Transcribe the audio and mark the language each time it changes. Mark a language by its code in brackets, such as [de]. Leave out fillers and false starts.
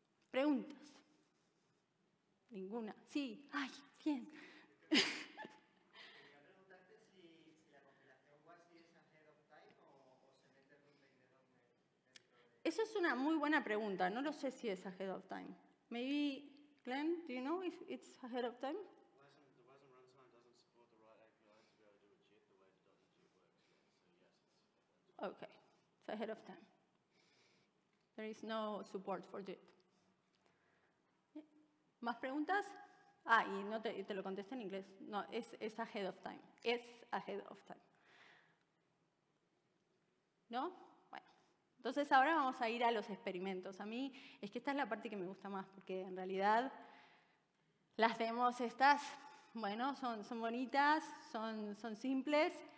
[es] ¿Preguntas? ¿Ninguna? Sí. Ay, bien. Eso es una muy buena pregunta. No lo sé si es ahead of time. [en] Maybe, Glenn, do you know if it's ahead of time? WASM runtime doesn't support the right API to be able to do it the way the .NET works. So, yes, it's ahead of time. Okay, it's ahead of time. There is no support for JIT. [es] ¿Más preguntas? Ah, y no te lo contesté en inglés. No, es ahead of time. [en] It's ahead of time. [es] ¿No? Entonces, ahora vamos a ir a los experimentos. A mí, es que esta es la parte que me gusta más, porque en realidad las demos estas, bueno, son bonitas, son simples.